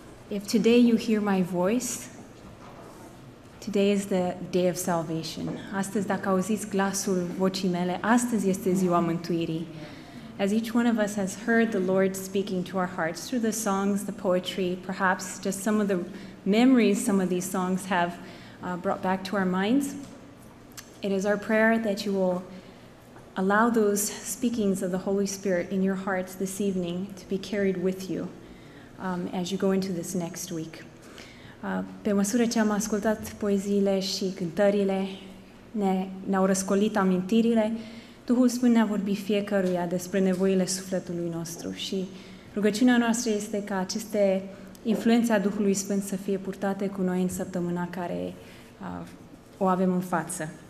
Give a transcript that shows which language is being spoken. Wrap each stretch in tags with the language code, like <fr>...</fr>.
<en>If today you hear my voice, today is the day of salvation.</en> <ro>Astăzi, dacă auziți glasul vocii mele, astăzi este ziua mântuirii.</ro> <en>As each one of us has heard the Lord speaking to our hearts through the songs, the poetry, perhaps just some of the memories some of these songs have brought back to our minds, it is our prayer that you will allow those speakings of the Holy Spirit in your hearts this evening to be carried with you. As you go into this next week.</en> <ro>Pe măsură ce am ascultat poeziile și cântările, ne-au răscolit amintirile, Duhul Sfânt ne-a vorbit fiecăruia despre nevoile sufletului nostru și rugăciunea noastră este ca aceste influențe a Duhului Sfânt să fie purtate cu noi în săptămâna care o avem în față.</ro>